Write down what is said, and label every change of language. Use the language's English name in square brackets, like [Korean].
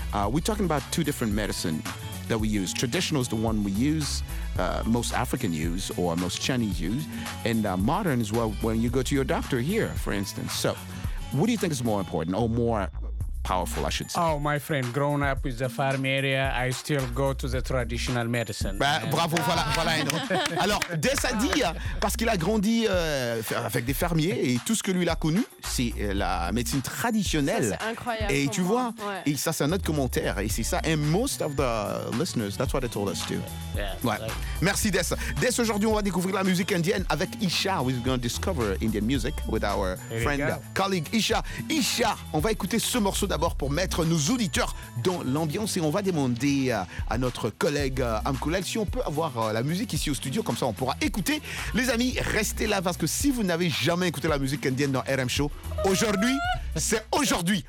[English] We're talking about two different medicine that we use. Traditional is the one we use, most African use or most Chinese use. And modern is well, when you go to your doctor here, for instance. So what do you think is more important or more powerful, I should say? Oh, my friend, growing up with the farm area, I still go to the traditional medicine. [French] Bah, bravo, voilà, voilà. Alors, Dess a dit, parce qu'il a grandi avec des fermiers, et tout ce que lui a connu, c'est la médecine traditionnelle. Ça, c'est incroyable. Et tu vois, ouais. Et ça, c'est un autre commentaire, et c'est ça. [English] And most of the listeners, that's what they told us too. Yeah, [French] ouais. Like... Merci, Dess. Dess, aujourd'hui, on va découvrir la musique indienne avec Isha. [English] We're going to discover Indian music with our friend, colleague Isha. [French] Isha, on va écouter ce morceau d'abord pour mettre nos auditeurs dans l'ambiance, et on va demander à notre collègue Amkoulel si on peut avoir la musique ici au studio, comme ça on pourra écouter. Les amis, restez là, parce que si vous n'avez jamais écouté la musique indienne dans RM Show, aujourd'hui, c'est aujourd'hui.